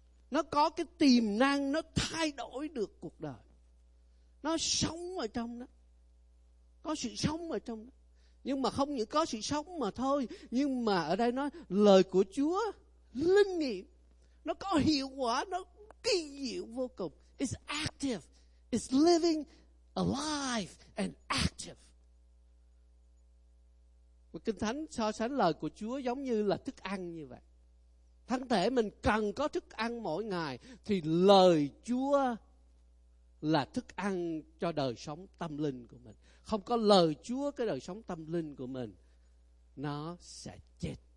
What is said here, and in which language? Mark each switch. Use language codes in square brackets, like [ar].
[vi] Nó có cái tiềm năng, nó thay đổi được cuộc đời. Nó sống ở trong đó. Có sự sống ở trong đó. Nhưng mà không những có sự sống mà thôi, nhưng mà ở đây nói lời của Chúa linh nghiệm. Nó có hiệu quả, nó kỳ diệu vô cùng. [en] It's active. It's living alive and active. [vi] Và Kinh Thánh so sánh lời của Chúa giống như là thức ăn như vậy. Thân thể mình cần có thức ăn mỗi ngày, thì lời Chúa là thức ăn cho đời sống tâm linh của mình. Không có lời Chúa, cái đời sống tâm linh của mình nó sẽ chết.